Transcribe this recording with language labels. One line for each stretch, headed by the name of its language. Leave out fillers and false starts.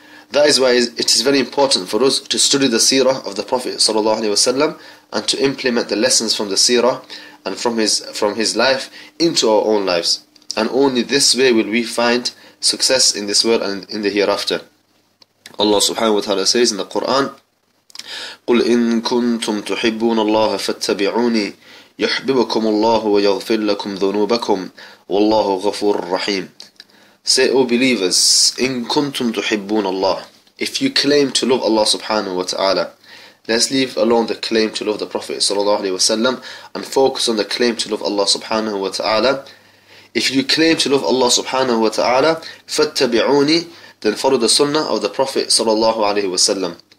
English: That is why it is very important for us to study the seerah of the Prophet sallallahu alaihi wasallam and to implement the lessons from the seerah and from his life into our own lives. And only this way will we find success in this world and in the hereafter. Allah subhanahu wa ta'ala says in the Quran,
Arabic: قُلْ إِن كُنْتُمْ تُحِبُّونَ اللَّهَ فَاتَّبِعُونِي يُحْبِبَكُمُ اللَّهُ وَيَغْفِرْ لَكُمْ ذُنُوبَكُمْ وَاللَّهُ غَفُورٌ رَّحِيمٌ.
English: Say, O believers,
Arabic: إِن كُنْتُمْ تُحِبُّونَ اللَّهَ,
English: if you claim to love Allah subhanahu wa ta'ala. Let's leave alone the claim to love the Prophet sallallahu alaihi wasallam and focus on the claim to love Allah subhanahu wa ta'ala. If you claim to love Allah subhanahu wa ta'ala, فَاتَّبِعُونِي, then follow the sunnah of the Prophet sallallahu alaihi wasallam.